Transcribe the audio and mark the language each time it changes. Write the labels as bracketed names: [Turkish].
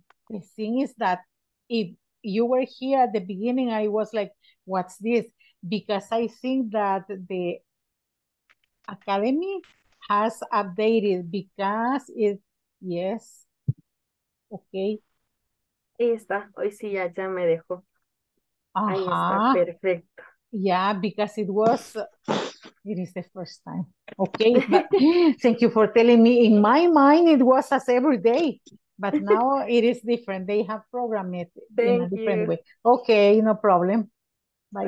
[English] The thing is that if you were here at the beginning, I was like, what's this? Because I think that the academy has updated because it, yes, okay. [Spanish] Ahí está, hoy sí ya, ya me dejó. Ajá. Ahí está, perfecto. [English] Yeah, because it was, it is the first time. Okay, but thank you for telling me. In my mind, it was as every day. But now it is different. They have programmed it thank in a different you. Way. Okay, no problem. Bye.